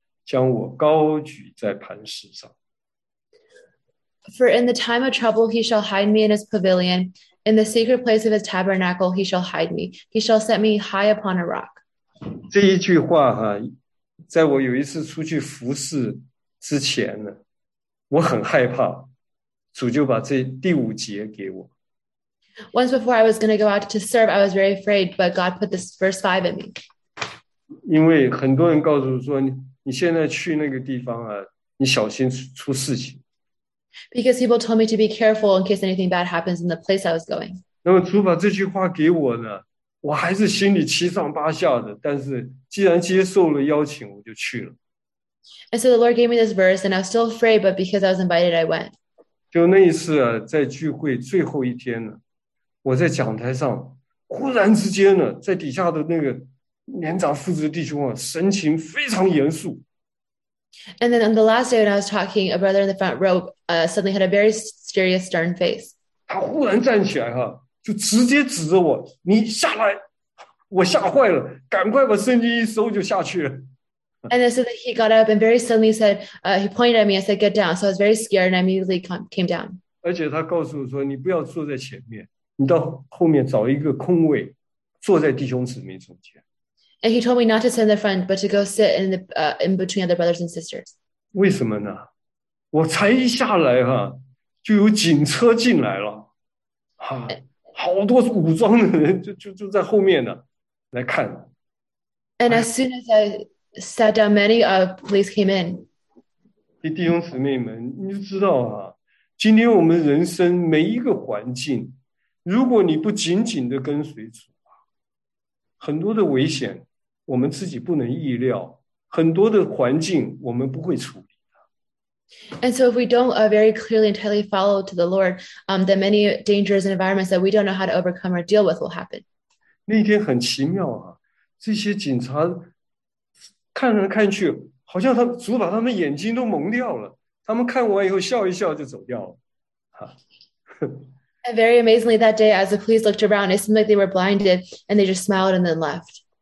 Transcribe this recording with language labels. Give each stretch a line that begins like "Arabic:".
Chinese: 将我高举在磐石上。
English: For in the time of trouble, he shall hide me in his pavilion. In the secret place of his tabernacle, he shall hide me. He shall set me high upon a rock.
Chinese: 这一句话哈，在我有一次出去服侍之前呢，我很害怕，主就把这第五节给我。
English: Once before I was going to go out to serve, I was very afraid, but God put this verse 5 in me.
Chinese: 因为很多人告诉说你现在去那个地方啊，你小心出事情。
English: Because people told me to be careful in case anything bad happens in the place I was going.
Chinese: 那么主把这句话给我呢，我还是心里七上八下的，但是既然接受了邀请，我就去了。
English: And so the Lord gave me this verse, and I was still afraid, but because I was invited, I went.
Chinese: 就那一次啊，在聚会最后一天呢，我在讲台上，忽然之间呢，在底下的那个年长父子弟兄啊，神情非常严肃。
English: And then on the last day when I was talking, a brother in the front row suddenly had a very serious, stern face.
Chinese: 他忽然站起来哈，就直接指着我，你下来！我吓坏了，赶快把圣经一收就下去了。
English: And then so that he got up and very suddenly said, he pointed at me and said, get down. So I was very scared and I immediately came down.
Chinese: 而且他告诉我说，你不要坐在前面，你到后面找一个空位，坐在弟兄姊妹中间。
English: And he told me not to sit in the front, but to go sit in the in between other brothers and sisters.
Chinese: 为什么呢？我才一下来哈，就有警车进来了，好多武装的人就在后面呢，来看。
English: And as soon as I sat down, many police came in.
Chinese: 弟兄姊妹们，你就知道啊，今天我们人生每一个环境，如果你不紧紧的跟随主。很多的危险我们自己不能预料，很多的环境我们不会处理的。
English: And so if we don't very clearly and tightly follow to the Lord, the many dangers and environments that we don't know how to overcome or deal with will happen.
Chinese: 那天很奇妙啊，这些警察看着看去，好像他主把他们眼睛都蒙掉了，他们看完以后笑一笑就走掉了。
English: And very amazingly that day, as the police looked around, it seemed like they were blinded, and they just smiled and then left.